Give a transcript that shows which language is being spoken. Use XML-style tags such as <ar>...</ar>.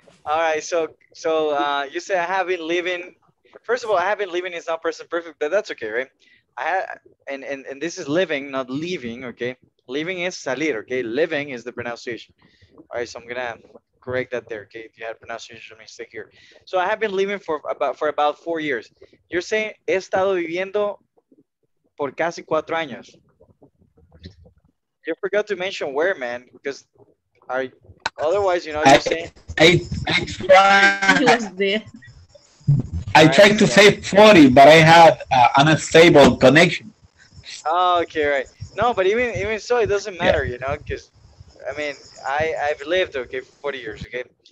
<en>All right, so you say I have been living. First of all, I have been living is not person perfect, but that's okay, right? And this is living, not leaving, okay? Living is salir, okay? Living is the pronunciation. All right, so I'm going to correct that there, okay? If you had a pronunciation mistake here. So I have been living for about 4 years. You're saying,</en> <es>he estado viviendo por casi 4 años.</es> <en>You forgot to mention where, man, because otherwise, you know what you're saying? I tried to say 40, but I had an unstable connection. Oh, okay, right. No, but even so, it doesn't matter, yeah. You know, because, I mean, I've lived, okay, 40 years, okay?</en>